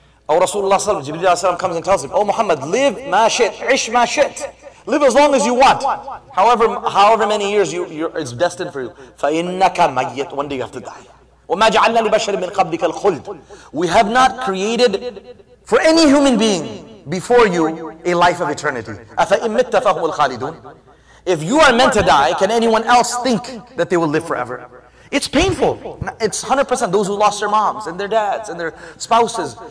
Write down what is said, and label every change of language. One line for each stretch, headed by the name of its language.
Arabic: أو رسول الله صلى الله عليه وسلم
English: comes and tells him, "Oh Muhammad, live
Arabic: ما شئت, عش ما شئت.
English: Live as long as you want. However many years it's destined for you.
Arabic: فإنك ميت.
English: One day you have to die.
Arabic: وما جعلنا لبشر من قبلك الخلد.
English: We have not created for any human being before you a life of eternity.
Arabic: أفإن مت فهم الخالدون.
English: If you are meant to die, can anyone else think that they will live forever? It's painful. It's 100% those who lost their moms and their dads and their spouses.